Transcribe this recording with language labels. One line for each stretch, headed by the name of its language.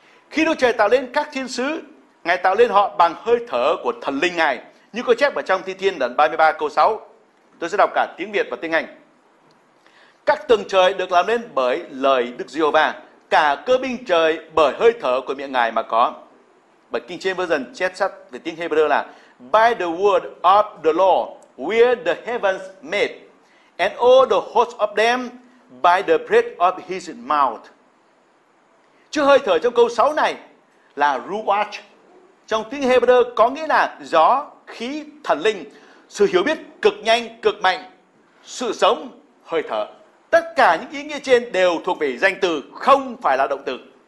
Vietnamese: Khi Đức Trời tạo lên các thiên sứ, Ngài tạo lên họ bằng hơi thở của thần linh Ngài, như có chép ở trong Thi Thiên đoạn 33 câu 6. Tôi sẽ đọc cả tiếng Việt và tiếng Anh. Các tầng trời được làm nên bởi lời Đức Giê-hô-va, cả cơ binh trời bởi hơi thở của miệng Ngài mà có. Bởi King James Version chép sắt về tiếng Hebrew là
English: By the word of the Lord were the heavens made, and all the hosts of them by the breath of his mouth.
Vietnamese: Chứ hơi thở trong câu 6 này là Ruach, trong tiếng Hebrew có nghĩa là gió, khí, thần linh, sự hiểu biết cực nhanh, cực mạnh, sự sống, hơi thở. Tất cả những ý nghĩa trên đều thuộc về danh từ, không phải là động từ.